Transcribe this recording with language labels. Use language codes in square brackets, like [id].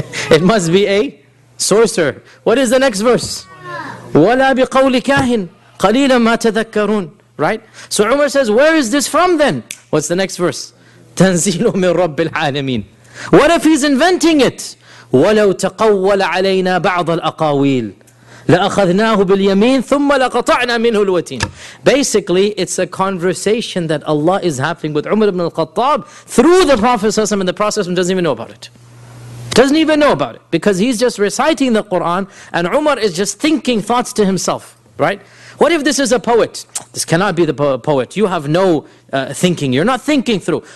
[en] It must be a sorcerer. What is the next verse? [ar] وَلَا بِقَوْلِ كَاهِنٍ قَلِيلًا مَا تَذَكَّرُونَ. [en] Right? So Umar says, where is this from then? What's the next verse? [ar] تنزيل من رب العالمين. [en] What if he's inventing it? [ar] ولو تقول علينا بعض الأقاويل لأخذناه باليمين ثم لقطعنا منه الوتين. [en] Basically, it's a conversation that Allah is having with Umar ibn al-Khattab through the Prophet ﷺ, and the Prophet ﷺ doesn't even know about it. Doesn't even know about it because he's just reciting the Quran and Umar is just thinking thoughts to himself, right? What if this is a poet? This cannot be the poet. You have no thinking. You're not thinking through.